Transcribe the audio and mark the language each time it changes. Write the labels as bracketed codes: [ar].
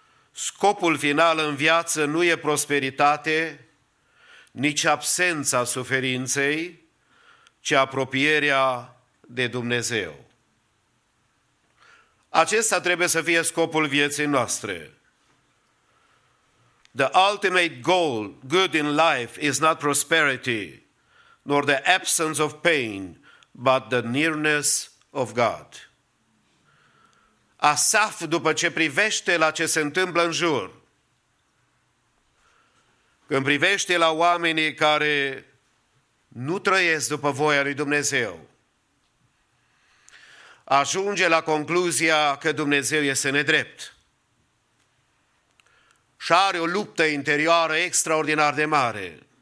[ro] Scopul final în viață nu e prosperitate, nici absența suferinței, ci apropierea de Dumnezeu. Acesta trebuie să fie scopul vieții noastre. [en] The ultimate goal, good in life, is not prosperity, nor the absence of pain, but the nearness of God. [ro] Asaf, după ce privește la ce se întâmplă în jur, când privește la oamenii care nu trăiesc după voia lui Dumnezeu, ajunge la concluzia că Dumnezeu este nedrept și are o luptă interioară extraordinar de mare.